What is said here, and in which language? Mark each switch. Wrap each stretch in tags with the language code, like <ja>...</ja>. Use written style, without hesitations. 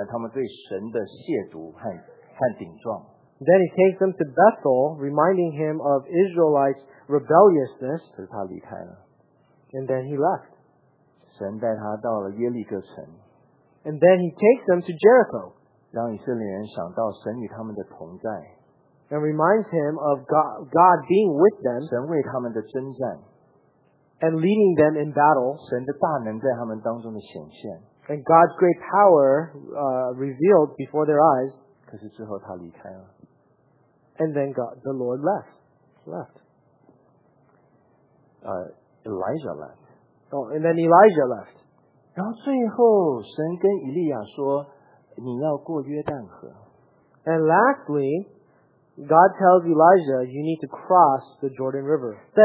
<zh>带领他到伯特利，纪念到了以色列人他们对神的亵渎和顶撞。</zh> <en>Then he takes them to Bethel, reminding him of Israelites' rebelliousness.</en> <zh>可是他离开了。</zh> <en>And then he left.</en> <zh>神带他到了耶利哥城。</zh> <en>And then he takes them to Jericho.</en> <zh>让以色列人想到神与他们的同在。</zh> <en>And reminds him of God being with them.</en> <zh>神为他们的征战,</zh> <en>and leading them in battle.</en> <zh>神的大能在他们当中的显现,</zh> <en>and God's great power revealed before their eyes.</en> <zh>可是之后他离开了,</zh> <en>and then God, the Lord left. Elijah left. Oh, and then Elijah left.</en> <zh>然后最后神跟以利亚说, 你要过约旦河。</zh> <en>And lastly, God tells Elijah, you need to cross the Jordan River.</en>